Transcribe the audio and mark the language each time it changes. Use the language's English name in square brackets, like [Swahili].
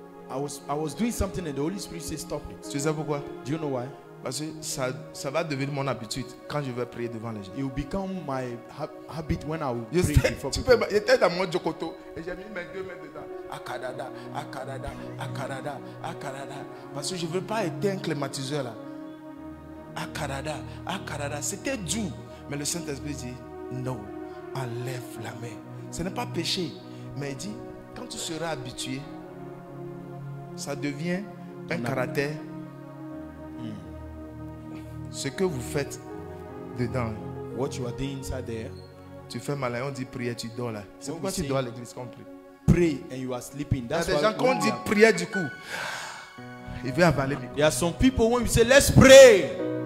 [English] I was doing something and the Holy Spirit said stop it. [French] Tu sais pourquoi? [English] Do you know why? [French] Parce que ça va devenir mon habitude quand je vais prier devant les gens. [English] It will become my habit when I will pray before people. [French] J'étais dans mon jokoto et j'ai mis mes deux mains dedans. Akadada, akadada, akadada, akadada. Parce que je veux pas être un climatiseur là. Akadada, akadada. C'était doux, mais le Saint-Esprit dit non. Enlève la main. Ce n'est pas péché. Mais il dit, quand tu seras habitué, ça devient un caractère. Ce que vous faites dedans. [English] What you are doing inside there. [French] Tu fais malin, on dit prière, tu dors là. C'est pourquoi tu dors à l'église quand on prie. [English] Pray and you are sleeping. That's [French] il y a des gens qu'on dit prière du coup. Il veut avaler. [English] There are some people when you say let's pray.